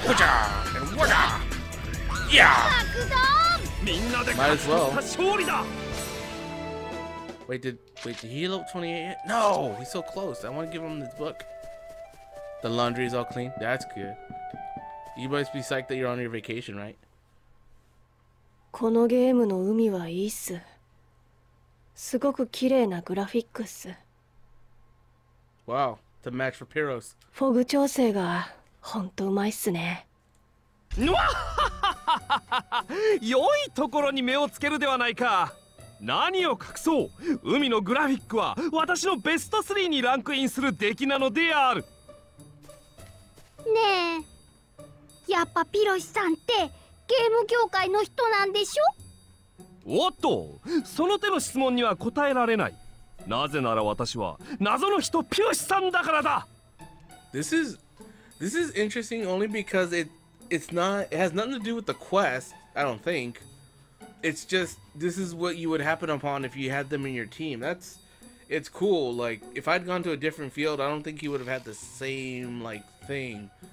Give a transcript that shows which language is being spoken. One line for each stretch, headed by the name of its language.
English: Yeah. Might as well. Wait, did he level 28 yet? No, he's so close. I want to give him this book. The laundry is all clean. That's good. You must be psyched that you're on your vacation, right?
Japanese: このゲームの海はいいっす。すごく綺麗なグラフィックス。
English: Wow, to match for Pyrrhus.
Japanese: フォグ調整が本当うまいっすね。わははははは。良いところに目をつけるではないか。何を隠そう、海のグラフィックは私のベスト3にランクインする出来なのである。ねえやっぱピロシさんってゲーム業界の人なんでしょ？おっと、その手の質問には答えられない。なぜなら私は謎の人ピロシさんだからだ。
English: This is interesting only because it has nothing to do with the quest, I don't think. It's just, this is what you would happen upon if you had them in your team. It's cool. Like, if I'd gone to a different field, I don't think you would have had the same, like, thing.